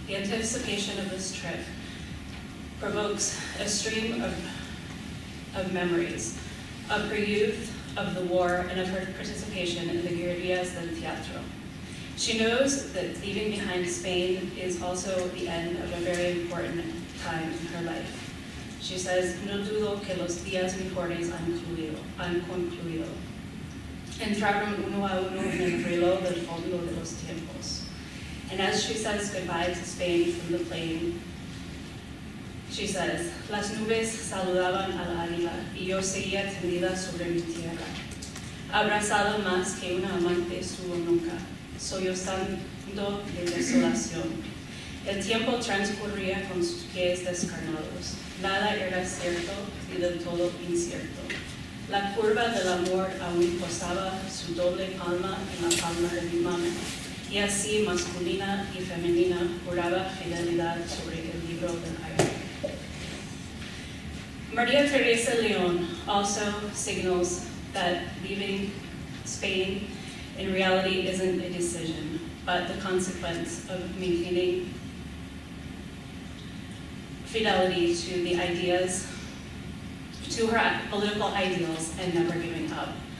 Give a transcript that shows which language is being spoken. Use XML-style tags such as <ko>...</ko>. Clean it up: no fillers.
<en>The anticipation of this trip provokes a stream of memories of her youth, of the war, and of her participation in the guerrillas del teatro. She knows that leaving behind Spain is also the end of a very important time in her life. She says,</en> <es>"No dudo que los días mejores han concluido. Entraron uno a uno en el reloj del fondo de los tiempos."</es> <en>And as she says goodbye to Spain from the plane, she says,</en> <es>"Las nubes saludaban al águila y yo seguía tendida sobre mi tierra. Abrazado más que una amante estuvo nunca. Sollozando de desolación. El tiempo transcurría con sus pies descarnados. Nada era cierto y del todo incierto. La curva del amor aún posaba su doble palma en la palma de mi mano. Y así, masculina y femenina, juraba fidelidad sobre el libro del aire."</es> <en>María Teresa León also signals that leaving Spain in reality isn't a decision, but the consequence of maintaining fidelity to the ideas, to her political ideals, and never giving up.</en>